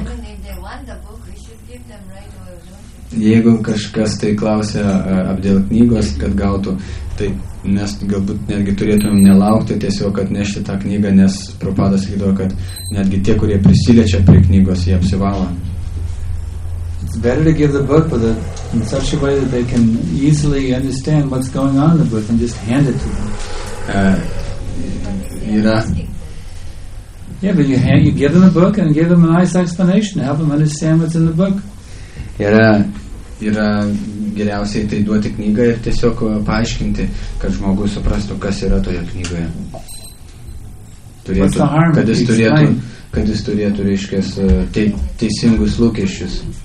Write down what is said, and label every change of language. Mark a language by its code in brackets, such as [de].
[en] Even if they want the book, we should give them right away, don't you? [lt] Jeigu kažkas tai klausia apdėl knygos, kad gautų, tai mes galbūt netgi turėtumėm nelaukti tiesiog atnešti tą knygą, nes Prabhupada sakydavo, kad netgi tie, kurie prisiliečia prie knygos, jie apsivalo. [en] It's it's better to give the book with it in such a way that they can easily understand what's going on in the book and just hand it to them. You give them a book and give them a nice explanation to help them understand what's in the book. [lt] Yra geriausiai tai duoti knygą ir tiesiog paaiškinti, kad žmogus suprastų, kas yra toje knygoje. Kad jis turėtų reiškias teisingus lūkesčius.